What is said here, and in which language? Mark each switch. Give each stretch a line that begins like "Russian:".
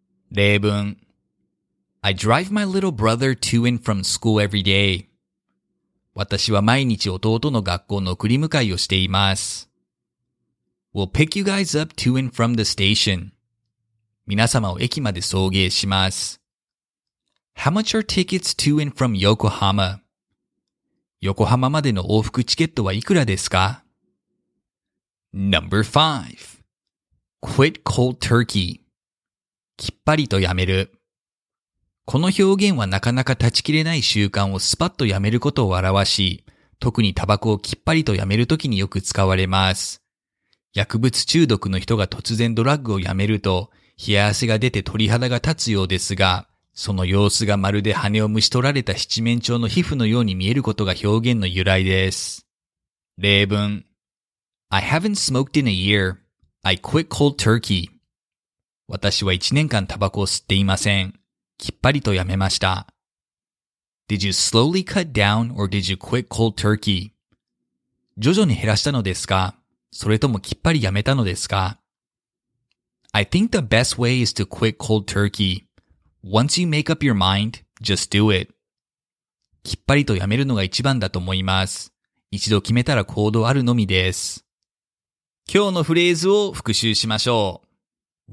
Japanese: 例文。
English: I drive my little brother to and from school every day.
Japanese: 私は毎日弟の学校の送り迎えをしています。
English: We'll pick you guys up to and from the station.
Japanese: 皆様を駅まで送迎します。
English: How much are tickets to and from Yokohama?
Japanese: 横浜までの往復チケットはいくらですか?
English: Number 5. Quit cold turkey.
Japanese: きっぱりとやめる。この表現はなかなか断ち切れない習慣をスパッとやめることを表し、特にタバコをきっぱりとやめるときによく使われます。薬物中毒の人が突然ドラッグをやめると、冷や汗が出て鳥肌が立つようですが、その様子がまるで羽をむし取られた七面鳥の皮膚のように見えることが表現の由来です。例文。
English: I haven't smoked in a year. I quit cold turkey.
Japanese: 私は一年間タバコを吸っていません。きっぱりとやめました。
English: Did you slowly cut down or did you quit cold turkey?
Japanese: 徐々に減らしたのですか?それともきっぱりやめたのですか?
English: I think the best way is to quit cold turkey. Once you make up your mind, just do it.
Japanese: きっぱりとやめるのが一番だと思います。一度決めたら行動あるのみです。今日のフレーズを復習しましょう。